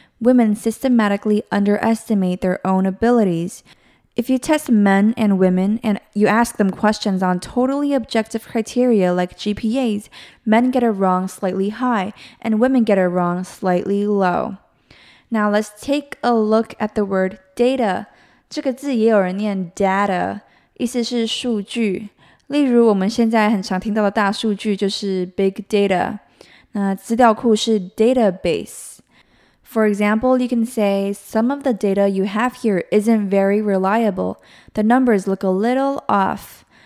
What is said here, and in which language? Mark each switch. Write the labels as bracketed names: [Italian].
[English] Women systematically underestimate their own abilities. If you test men and women and you ask them questions on totally objective criteria like GPAs, men get a rung slightly high, and women get a rung slightly low. Now let's take a look at the word data. [Chinese] 这个字也有人念 data. 意思是数据，例如我们现在很常听到的大数据就是 big data，那资料库是 database. [English] For example, you can say some of the data you have here isn't very reliable. The numbers look a little off.